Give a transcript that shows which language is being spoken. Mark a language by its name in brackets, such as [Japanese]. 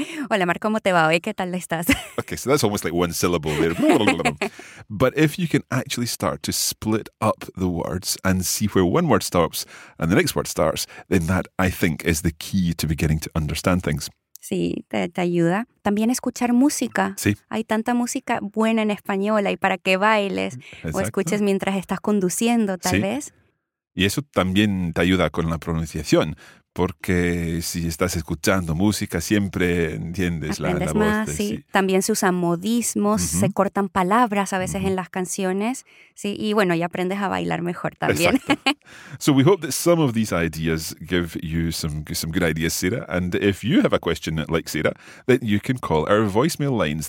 [Spanish] Hola, Mar, ¿cómo te va hoy? ¿Qué tal estás? [English] Okay, so that's almost like one syllable there. But if you can actually start to split up the words and see where one word stops and the next word starts, then that, I think, is the key to beginning to understand things. [Spanish] Sí, te ayuda. También escuchar música. Sí. Hay tanta música buena en español, hay para que bailes Exacto. o escuches mientras estás conduciendo, tal sí. vez. Y eso también te ayuda con la pronunciación, porque si estás escuchando música siempre entiendes Aprendes más, voz. De, sí. sí. También se usan modismos, uh-huh. se cortan palabras a veces uh-huh. en las canciones, sí. Y bueno, ya aprendes a bailar mejor también. [English] So we hope that some of these ideas give you some good ideas, Sarah. And if you have a question like Sarah, then you can call our voicemail lines.